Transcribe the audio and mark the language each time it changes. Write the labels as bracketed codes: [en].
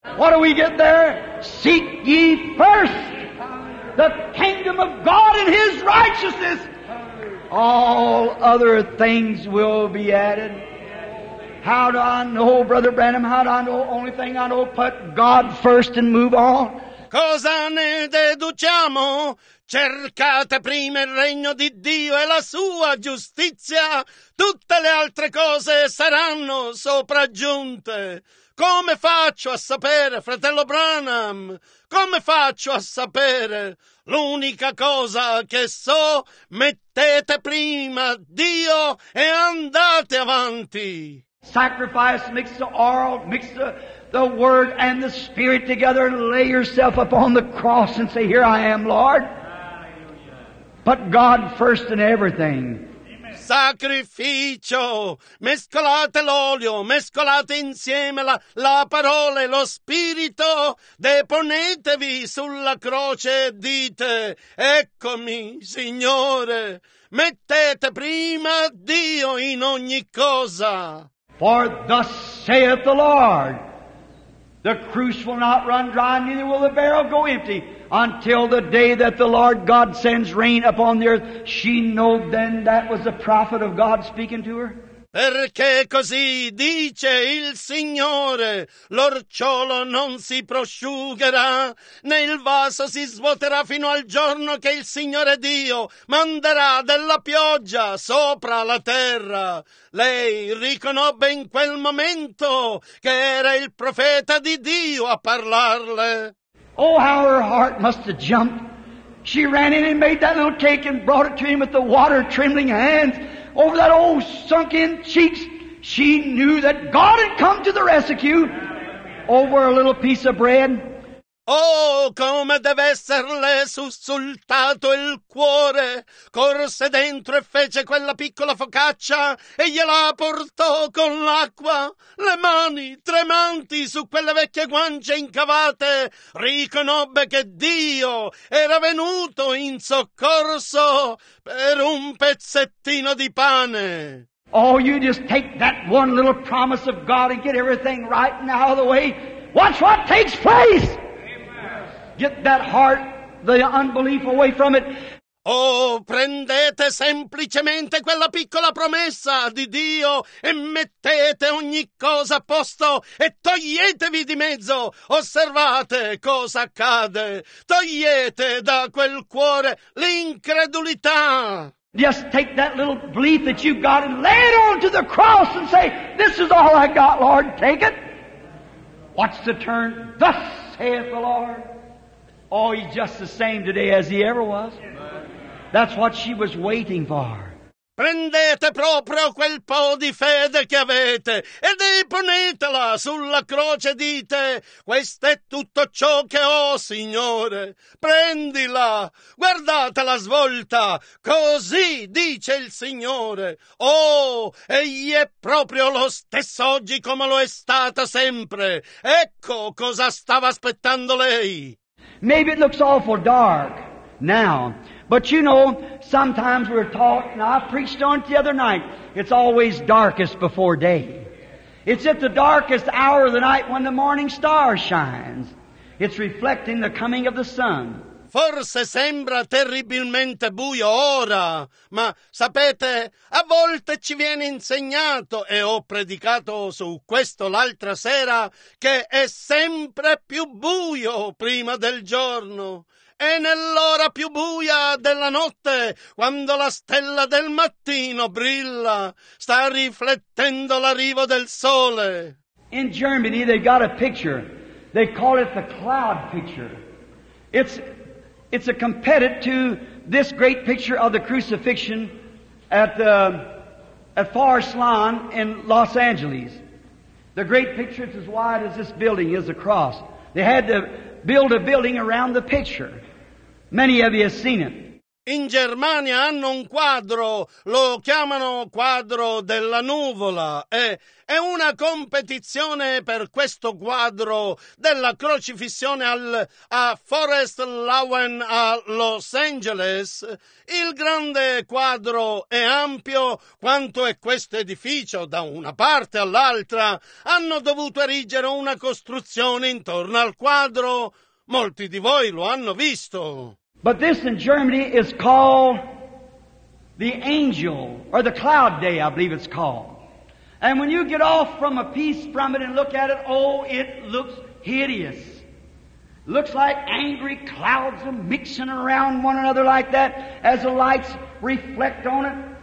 [en] What do we get there? Seek ye first the kingdom of God and his righteousness. All other things will be added. How do I know, Brother Branham, how do I know? Only thing I know, put God first and move on. [it] Cosa ne deduciamo? Cercate prima il regno di Dio e la sua giustizia. Tutte le altre cose saranno sopraggiunte. Come faccio a sapere, fratello Branham? Come faccio a sapere? L'unica cosa che so, mettete prima Dio e andate avanti. [en] Sacrifice, mix the oil, mix the word and the spirit together and lay yourself upon the cross and say, here I am, Lord. Put God first in everything. [it] Sacrificio, mescolate l'olio, mescolate insieme la parola e lo spirito, deponetevi sulla croce e dite, eccomi, Signore, mettete prima Dio in ogni cosa. [en] For thus saith the Lord, the cruse will not run dry, neither will the barrel go empty, until the day that the Lord God sends rain upon the earth. She knew then that was the prophet of God speaking to her. [it] perché così dice il Signore, l'orciolo non si prosciugherà, né il vaso si svuoterà fino al giorno che il Signore Dio manderà della pioggia sopra la terra. Lei riconobbe in quel momento che era il profeta di Dio a parlarle. [en] Oh, how her heart must have jumped. She ran in and made that little cake and brought it to him with the water trembling hands over that old sunken cheeks. She knew that God had come to the rescue over a little piece of bread. [it] Oh, come deve esserle sussultato il cuore. Corse dentro e fece quella piccola focaccia e gliela portò con l'acqua. Le mani tremanti su quelle vecchie guance incavate, riconobbe che Dio era venuto in soccorso per un pezzettino di pane. [en] Oh, you just take that one little promise of God and get everything right and out of the way. Watch what takes place! Get that heart, the unbelief away from it. [it] Oh, prendete semplicemente quella piccola promessa di Dio e mettete ogni cosa a posto e toglietevi di mezzo. Osservate cosa accade. Togliete da quel cuore l'incredulità. [en] Just take that little belief that you've got and lay it onto the cross and say, this is all I got, Lord, take it. Watch the turn. Thus saith the Lord. Oh, he's just the same today as he ever was. That's what she was waiting for. [it] Prendete proprio quel po' di fede che avete e deponetela sulla croce e dite, questo è tutto ciò che ho, Signore. Prendila, guardate la svolta, così dice il Signore. Oh, egli è proprio lo stesso oggi come lo è stata sempre. Ecco cosa stava aspettando lei. [en] Maybe it looks awful dark now, but you know, sometimes we're taught, and I preached on it the other night, it's always darkest before day. It's at the darkest hour of the night when the morning star shines. It's reflecting the coming of the sun. [it] Forse sembra terribilmente buio ora, ma sapete, a volte ci viene insegnato, e ho predicato su questo l'altra sera, che è sempre più buio prima del giorno. È nell'ora più buia della notte, quando la stella del mattino brilla, sta riflettendo l'arrivo del sole. [en] In Germany they got a picture. They call it the cloud picture. It's a competitor to this great picture of the crucifixion at Forest Lawn in Los Angeles. The great picture is as wide as this building is across. They had to build a building around the picture. Many of you have seen it. [it] In Germania hanno un quadro, lo chiamano quadro della nuvola, e è una competizione per questo quadro della crocifissione a Forest Lawn a Los Angeles. Il grande quadro è ampio quanto è questo edificio, da una parte all'altra. Hanno dovuto erigere una costruzione intorno al quadro. Molti di voi lo hanno visto. [en] But this in Germany is called the angel, or the cloud day, I believe it's called. And when you get off from a piece from it and look at it, oh, it looks hideous. Looks like angry clouds are mixing around one another like that as the lights reflect on it.